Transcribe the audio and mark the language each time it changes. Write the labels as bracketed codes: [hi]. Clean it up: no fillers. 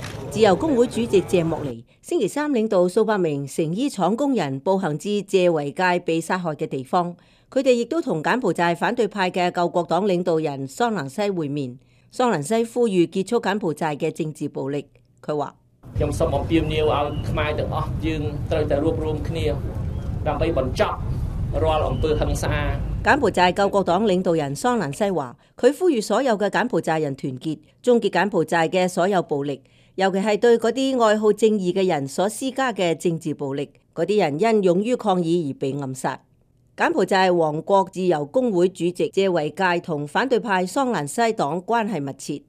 [yue] 自由工会主席谢莫尼星期三领导数百名成衣厂工人步行至谢维佳被杀害的地方，他们亦都同柬埔寨反对派的救国党领导人桑兰西会面。桑兰西呼吁结束柬埔寨的政治暴力。他说： [km] ខ្ញុំសូមអំពាវនាវឲ្យខ្មែរទាំងអស់យើងត្រូវតែរួបរวมគ្នាដើម្បីបញ្ចប់រាល់អំពើហិង្សា [yue] 柬埔寨救国党领导人桑兰西话，佢呼吁所有嘅柬埔寨人团结，终结柬埔寨嘅所有暴力，尤其系对嗰啲爱好正义嘅人所施加嘅政治暴力。嗰啲人因勇于抗议而被暗杀。柬埔寨王国自由工会主席谢维佳同反对派桑兰西党关系密切。